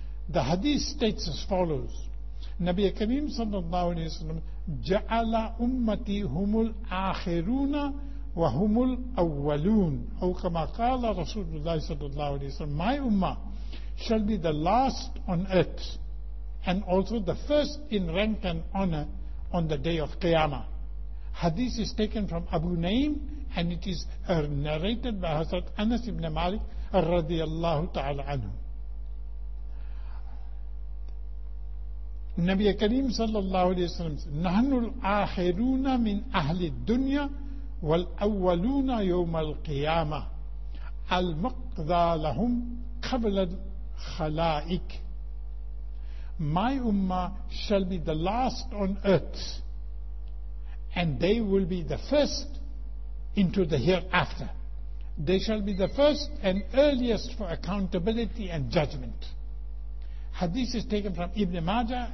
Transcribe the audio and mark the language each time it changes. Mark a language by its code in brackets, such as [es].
[en] The hadith states as follows. Nabi Kareem sallallahu alayhi wa sallam, [ar] Ja'ala ummati humul akhiruna وَهُمُ الْأَوَّلُونَ أو كما قال رسول الله صلى الله عليه وسلم, [en] my ummah shall be the last on earth and also the first in rank and honor on the day of Qiyamah. Hadith is taken from Abu Naim and it is narrated by Hazrat Anas ibn Malik radiallahu ta'ala anhu. [ar] Nabi Kareem صلى الله عليه وسلم, نَحْنُ الْآخِرُونَ مِنْ أَهْلِ الدُّنْيَا والأولون يوم القيامة المقضى لهم قبل الخلائق. [en] My ummah shall be the last on earth and they will be the first into the hereafter. They shall be the first and earliest for accountability and judgment. Hadith is taken from Ibn Majah.